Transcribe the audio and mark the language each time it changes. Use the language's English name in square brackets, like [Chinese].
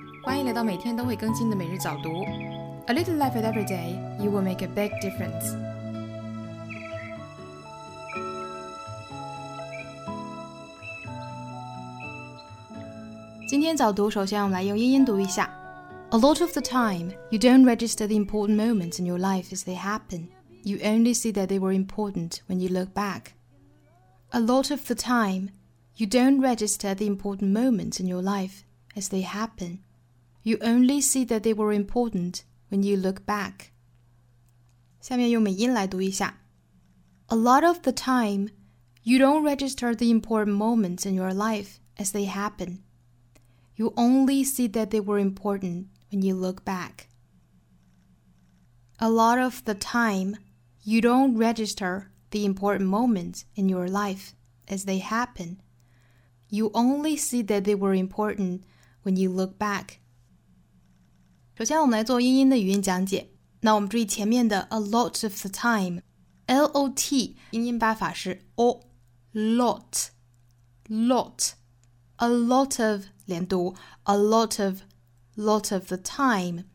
[Chinese] 欢迎来到每天都会更新的每日早读。 [English] A little life at every day, you will make a big difference. [Chinese] 今天早读，首先我们来用英音读一下。 [English] A lot of the time, you don't register the important moments in your life as they happen. You only see that they were important when you look back. A lot of the time,You don't register the important moments in your life as they happen. You only see that they were important when you look back. [Chinese] 下面用美音来读一下。 [English] A lot of the time, you don't register the important moments in your life as they happen. You only see that they were important when you look back. A lot of the time, you don't register the important moments in your life as they happen. You only see that they were important when you look back. [Chinese] 首先我们来做英音的语音讲解。那我们注意前面的 [English] a lot of the time, [Chinese] L-O-T, 英音发法是 O, lot, lot, [English] a lot of, 连读 a lot of the time.